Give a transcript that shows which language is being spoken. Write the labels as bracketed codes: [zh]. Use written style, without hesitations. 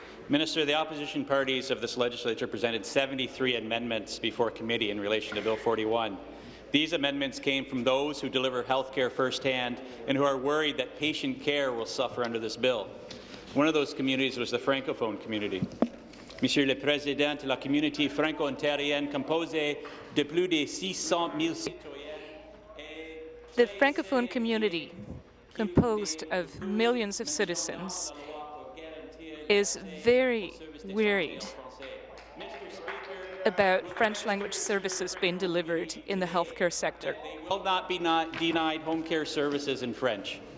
[en] Minister, the opposition parties of this legislature presented 73 amendments before committee in relation to Bill 41. These amendments came from those who deliver health care firsthand and who are worried that patient care will suffer under this bill. One of those communities was the Francophone community. [fr] Monsieur le Président, la communauté franco-ontarienne composée de plus de 600 000 citoyens. [en] The Francophone community, composed of millions of citizens, is very worried about French language services being delivered in the healthcare sector. They will not be denied home care services in French.